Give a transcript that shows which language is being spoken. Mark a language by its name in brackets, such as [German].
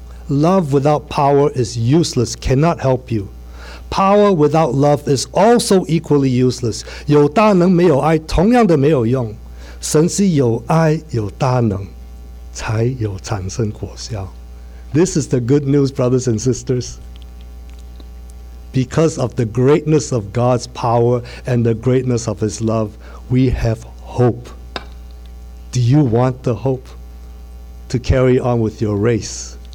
[English] Love without power is useless, cannot help you. Power without love is also equally useless. [Chinese] 有大能没有爱，同样的没有用。神是有爱有大能，才有产生果效。 [English] This is the good news, brothers and sisters. Because of the greatness of God's power and the greatness of His love, we have hope. Do you want the hope to carry on with your race?